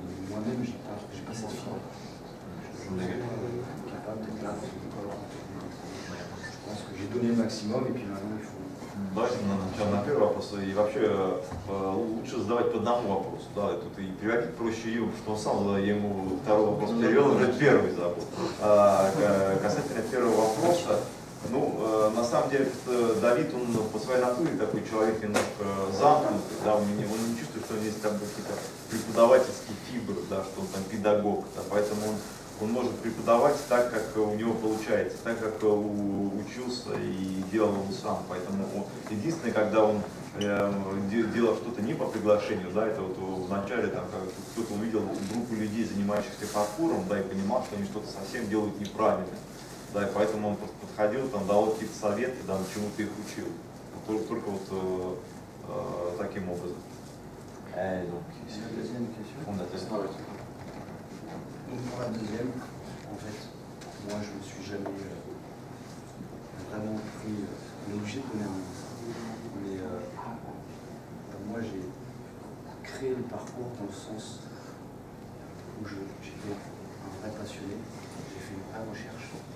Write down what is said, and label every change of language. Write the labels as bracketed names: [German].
[French] Moi-même, j'ai pas cette fin. Je suis capable d'être là, parce que je pense que j'ai donné le maximum, et puis maintenant, il faut... [Russian] Давайте начнем на первый вопрос. И вообще лучше задавать по одному вопросу. Да, тут и привязать проще ему, что он сам ему второй вопрос перевел, уже первый забыл. Касательно первого вопроса, ну, на самом деле, Давид, он по своей натуре такой человек немножко замкнут, да, он не чувствует, что у него есть там какие-то преподавательские фибры, да, что он там педагог, да, поэтому он может преподавать так, как у него получается, так, как учился и делал он сам. Поэтому единственное, когда он делал что-то не по приглашению, да, это вот вначале там, кто-то увидел группу людей, занимающихся паркуром, да, и понимал, что они что-то совсем делают неправильно. Да, и поэтому он подходил, там, давал какие-то советы, да, чему-то их учил. Только вот таким образом. [French] Pour la deuxième, en fait, moi je ne me suis jamais vraiment pris l'objet de donner un nom. Mais moi j'ai créé le parcours dans le sens où j'étais un vrai passionné, j'ai fait une vraie recherche.